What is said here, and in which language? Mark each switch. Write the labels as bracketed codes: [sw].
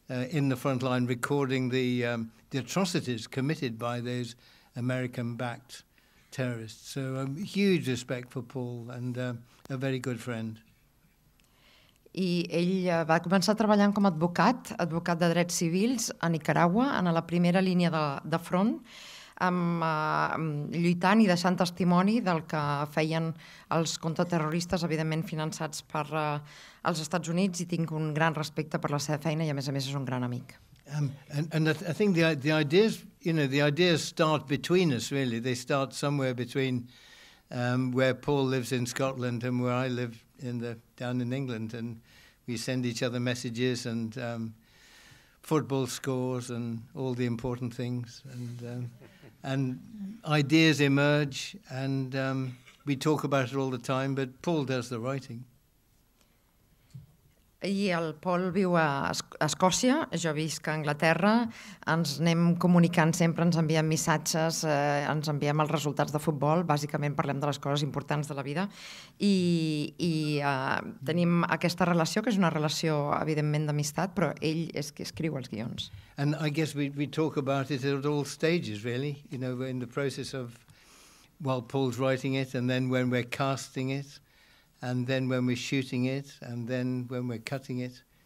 [en] In the front line, recording the atrocities committed by those American-backed terrorists. So huge respect for Paul and a very good friend. [ca] I ell va començar treballant com a advocat de drets civils a Nicaragua, en la primera línia de front, lluitant i deixant testimoni del que feien els contraterroristes, evidentment finançats per els Estats Units, i tinc un gran respecte per la seva feina i a més és un gran amic. [en] And I think the ideas, you know, the ideas start between us, really. They start somewhere between where Paul lives in Scotland and where I live down in England, and we send each other messages and football scores and all the important things, and ideas emerge, and we talk about it all the time, but Paul does the writing. [ca] I el Paul viu a Escòcia, jo visc a Anglaterra, ens anem comunicant sempre, ens enviem missatges, ens enviem els resultats de futbol, bàsicament parlem de les coses importants de la vida, tenim aquesta relació, que és una relació evidentment d'amistat, però ell és qui escriu els guions. [en] And I guess we talk about it at all stages, really, you know, in the process of while Paul's writing it, and then when we're casting it, and then when we're shooting it, and then when we're cutting it.